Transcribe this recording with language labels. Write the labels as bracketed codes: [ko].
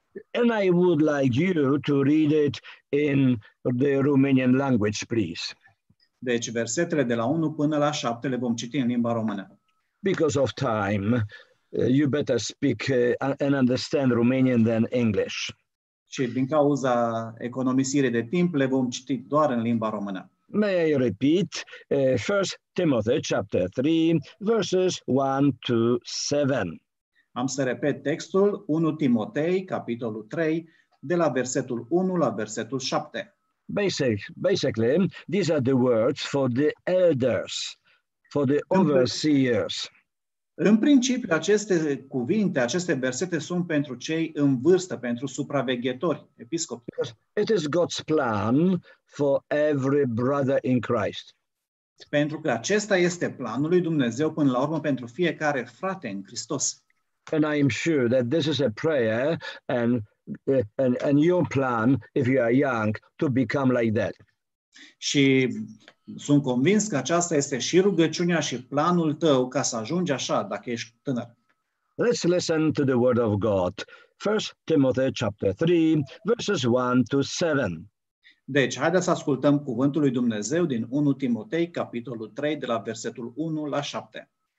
[en] And I would like you to read it in the Romanian language, please. [ro] Deci versetele de la 1 până la 7 le vom citi în limba română. [en] Because of time, you better speak and understand Romanian than English. [ro] Și din cauza economisirii de timp le vom citi doar în limba română. [en] May I repeat 1 Timothy chapter 3 verses 1 to 7. [ro] Am să repet textul 1 Timotei capitolul 3 de la versetul 1 la versetul 7. [en] Basically, these are the words for the elders, for the overseers. [ro] În principiu, aceste cuvinte, aceste versete sunt pentru cei în vârstă, pentru supraveghetori, episcopi. [en] It is God's plan for every brother in Christ. [ro] Pentru că acesta este planul lui Dumnezeu până la urmă pentru fiecare frate în Hristos. [en] And I am sure that this is a prayer and your plan if you are young to become like that. [ro] Și sunt convins că aceasta este și rugăciunea și planul tău ca să ajungi așa dacă ești tânăr. [en] Let's listen to the word of God. 1 Timothy chapter 3 verses 1 to 7. [ro] Deci haideți să ascultăm cuvântul lui Dumnezeu din 1 Timotei capitolul 3 de la versetul 1 la 7.